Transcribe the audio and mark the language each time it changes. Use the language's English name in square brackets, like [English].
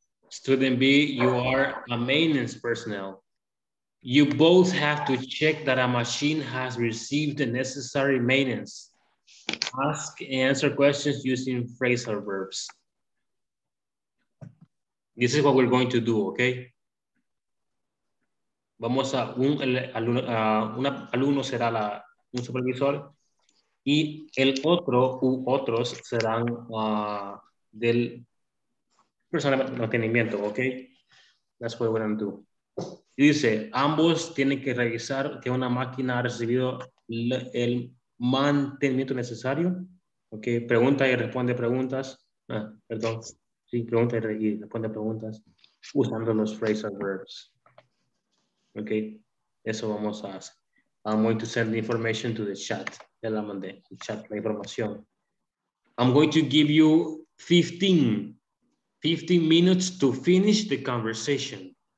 [English] Student B, you are a maintenance personnel. You both have to check that a machine has received the necessary maintenance. Ask and answer questions using phrasal verbs. This is what we're going to do, okay? [Spanish] Vamos a un alumno será la un supervisor y el otro u otros serán del personal mantenimiento, okay? [English] That's what we're going to do. [Spanish] Dice, ambos tienen que revisar que una máquina ha recibido el mantenimiento necesario. Ok, pregunta y responde preguntas. Perdón. Sí, pregunta y responde preguntas usando los phrasal verbs. Ok, eso vamos a hacer. [English] I'm going to send the information to the chat. [Spanish] Ya la mandé, el chat, la información. [English] I'm going to give you 15 minutes to finish the conversation.